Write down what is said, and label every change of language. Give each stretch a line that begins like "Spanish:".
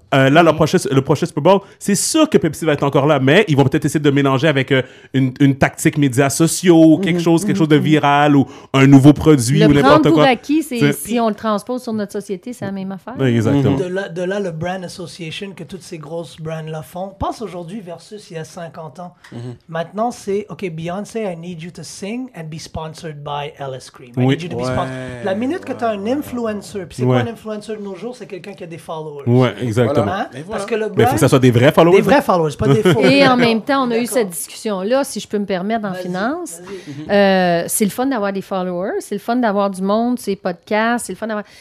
French: Là, leur prochain Super Bowl, c'est sûr que Pepsi va être encore là, mais ils vont peut-être essayer de mélanger avec une tactique médias sociaux, quelque chose de viral ou un nouveau produit le ou n'importe prendre quoi. Prendre pour acquis, c'est si on le transpose sur notre société, c'est la même affaire. Ben, exactement. Mm-hmm. De là, le brand association que toutes ces grosses brands là font, pense aujourd'hui versus il y a 50 ans. Mm-hmm. Maintenant, c'est OK,
English: Beyoncé, I need you to sing and be sponsored by LS Cream.
French: Oui.
English: I need you to be sponsored.
French: La minute que tu as un influencer, puis c'est quoi un influencer de nos jours, c'est quelqu'un qui a des followers. Ouais, exactement. Voilà. Voilà. Parce que le brand, mais il faut que ça soit des vrais followers. Des vrais followers, pas des faux. Et en même temps, on a eu cette discussion-là, si je peux me permettre, en finance. Vas-y. C'est le fun d'avoir des followers, c'est le fun d'avoir du monde, c'est podcast, c'est le fun d'avoir...